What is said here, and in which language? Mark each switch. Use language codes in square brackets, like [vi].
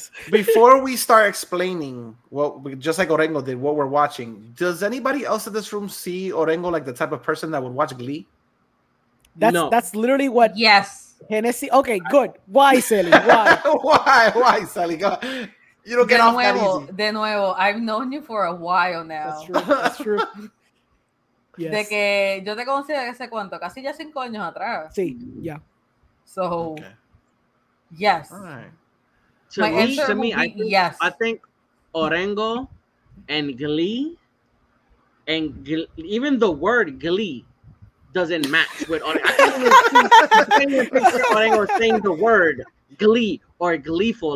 [en] Before we start explaining what, just like Orengo did, what we're watching, does anybody else in this room see Orengo like the type of person that would watch Glee? That's literally what... Yes. Hennessy, okay, good. Why, Sally? Why? Why, Sally? Go. You don't get off that easy. [es] De nuevo, [en] I've known you for a while now. That's true. Yes. [es] De que yo te conocí de hace cuánto, casi ya 5 años atrás. Sí, ya. [en] Yeah. So, okay. Yes. All right. I think Orengo and Glee, and even the word Glee, doesn't match with Orengo saying the word Glee or gleeful.